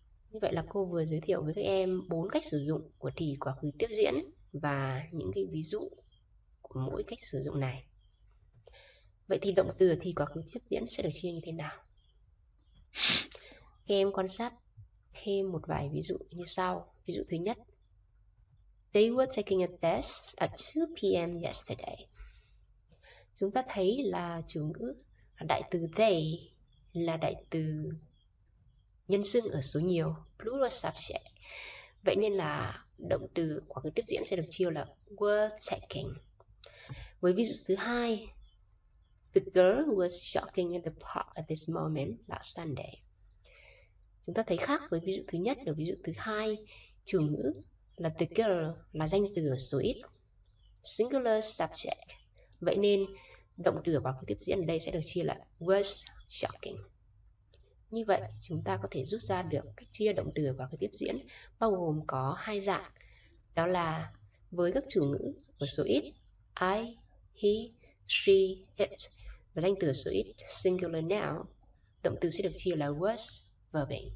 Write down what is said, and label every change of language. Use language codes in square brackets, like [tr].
[vi] Như vậy là cô vừa giới thiệu với các em 4 cách sử dụng của thì quá khứ tiếp diễn và những cái ví dụ của mỗi cách sử dụng này. Vậy thì động từ thì quá khứ tiếp diễn sẽ được chia như thế nào? Các em quan sát thêm một vài ví dụ như sau. Ví dụ thứ nhất. [en] They were taking a test at 2 p.m. yesterday. [vi] Chúng ta thấy là chủ ngữ đại từ they là đại từ nhân xưng ở số nhiều, [en] plural subject. [vi] Vậy nên là động từ quá khứ tiếp diễn sẽ được chia là [en] were taking. [vi] Với ví dụ thứ hai, [en] the girl was shopping in the park at this moment last Sunday. [vi] chúng ta thấy khác với ví dụ thứ nhất và ví dụ thứ hai. Chủ ngữ là [en] the girl [vi] là danh từ ở số ít, [en] singular subject. [vi] Vậy nên động từ và câu tiếp diễn ở đây sẽ được chia là [en] was shocking. [vi] Như vậy chúng ta có thể rút ra được cách chia động từ và câu tiếp diễn bao gồm có hai dạng, đó là với các chủ ngữ ở số ít I, he, she, it và danh từ ở số ít [en] singular noun, [vi] động từ sẽ được chia là was verb.